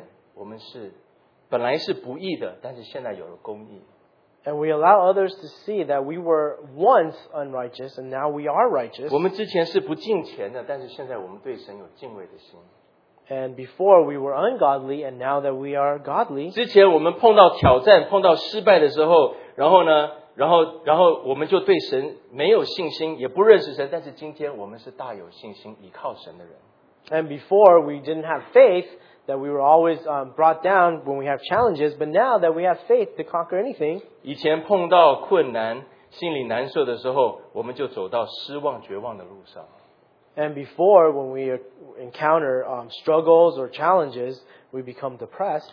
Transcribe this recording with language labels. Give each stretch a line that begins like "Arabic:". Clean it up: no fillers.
Chinese: 我们让人家看见我们是本来是不义的, 但是现在有了公义,
English: and we allow others to see that we were once unrighteous and now we are righteous.
Chinese: 我们之前是不敬虔的, 但是现在我们对神有敬畏的心,
English: and before we were ungodly and now that we are godly.
Chinese: 之前我们碰到挑战, 碰到失败的时候, 然后呢, 然后我们就对神没有信心，也不认识神。但是今天我们是大有信心，依靠神的人。
English: And before we didn't have faith, that we were always brought down when we have challenges. But now that we have faith to conquer anything.
Chinese: 以前碰到困难，心里难受的时候，我们就走到失望绝望的路上。
English: And before, when we encounter struggles or challenges, we become depressed.